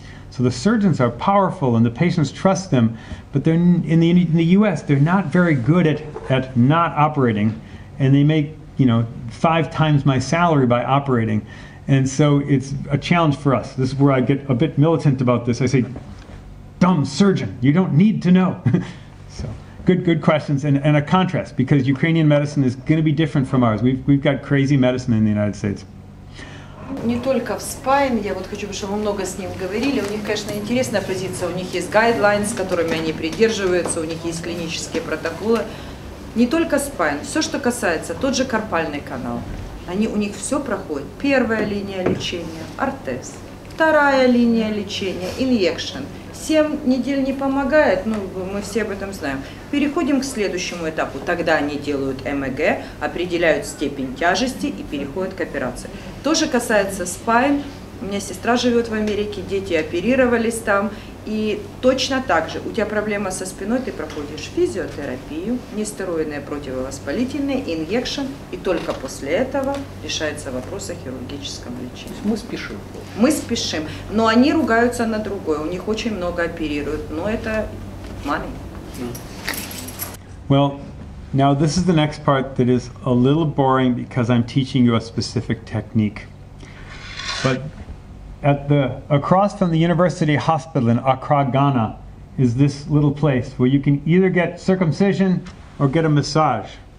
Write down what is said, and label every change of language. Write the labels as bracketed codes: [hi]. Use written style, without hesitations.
[en] So the surgeons are powerful and the patients trust them, but they're in the US, they're not very good at not operating, and they make, you know, 5 times my salary by operating. And so it's a challenge for us. This is where I get a bit militant about this. I say, dumb surgeon, you don't need to know. So Good questions and a contrast, because Ukrainian medicine is going to be different from ours. We've got crazy medicine in the United States. [ru] Не только в спайн, я вот хочу, чтобы вы много с ним говорили. У них, конечно, интересная позиция. У них есть гайдлайн, с которыми они придерживаются, у них есть клинические протоколы. Не только спайн, все, что касается, тот же карпальный канал. Они, у них все проходит. Первая линия лечения – ортез. Вторая линия лечения – инъекшн. 7 недель не помогает, ну, мы все об этом знаем. Переходим к следующему этапу. Тогда они делают МЭГ, определяют степень тяжести и переходят к операции. То же касается спайн. У меня сестра живет в Америке, дети оперировались там. И точно так же, у тебя проблема со спиной, ты проходишь физиотерапию, нестероидные противовоспалительные, инъекшн, и только после этого решается вопрос о хирургическом лечении. Мы спешим, но они ругаются на другое, у них очень много оперируют, но это маме. [en] Well, now this is the next part that is a little boring, because I'm teaching you a specific technique. But across from the University Hospital in Accra, Ghana, is this little place where you can either get circumcision or get a massage.